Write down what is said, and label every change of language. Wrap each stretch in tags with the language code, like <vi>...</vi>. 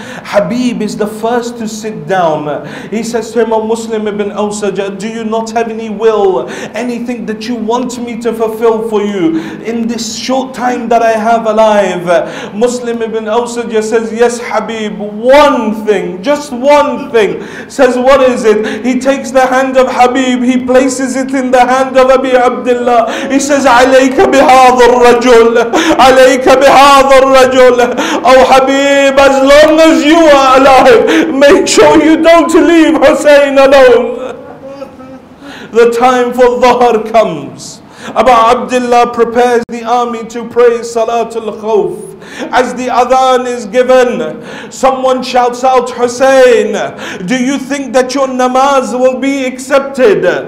<en>Habib is the first to sit down. He says to him, O Muslim ibn Awsaja, do you not have any will, anything that you want me to fulfill for you in this short time that I have alive? Muslim ibn Awsaja says, yes, Habib, one thing, just one thing. Says, what is it? He takes the hand of Habib, he places it in the hand of Abi Abdullah. He says,</en> <ar>عليك بهذا الرجل, عليك بهذا الرجل.</ar> <en>Oh Habib, as long as you are alive, make sure you don't leave Hussein alone. The time for Dhuhr comes. Abu Abdullah prepares the army to pray Salatul Khawf. As the adhan is given, someone shouts out, Hussein, do you think that your namaz will be accepted?</en>